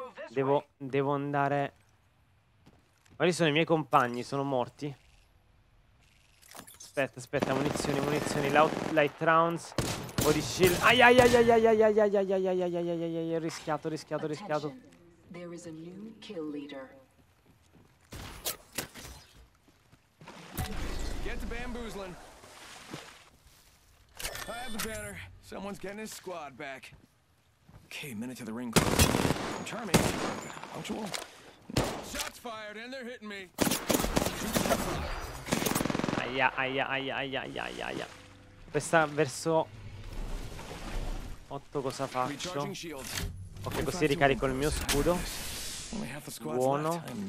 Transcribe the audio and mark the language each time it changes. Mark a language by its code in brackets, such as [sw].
[it] Devo andare. Quali sono i miei compagni? Sono morti? Aspetta, aspetta, munizioni, munizioni, [en] light rounds, body shield. [it] Ai ai ai ai ai ai ai ai ai ai ai ai ai ai ai ai ai, rischiato, rischiato, rischiato. [en] There is a new kill leader. Get the bamboozling. I have the banner. Someone's getting his squad back. Okay, minute to the ring close. I'm charming. Punctual. Shots fired and they're hitting me. Aia, aia, aia, aia, aia, aia, aia. [it] Questa verso 8 cosa faccio? Ok, così ricarico il mio scudo. Buono.